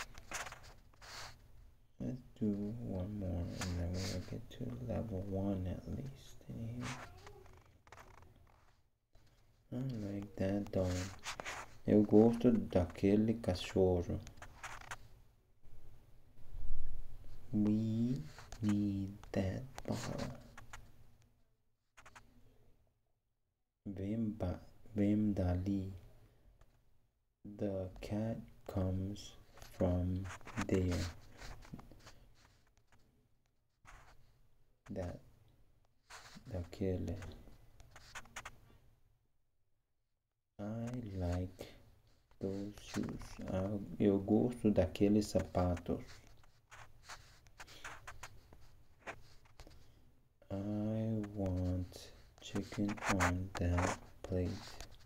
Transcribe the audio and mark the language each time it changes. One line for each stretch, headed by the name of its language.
English: Let's do one more and then we'll get to level one at least in here. I like that dog.
Portuguese: Eu gosto daquele cachorro.
English: We need that bottle.
Portuguese: Vem dali.
English: The cat comes from there. That. Daquele. I like those shoes.
Portuguese: Eu gosto daqueles sapatos.
English: I want chicken on that plate.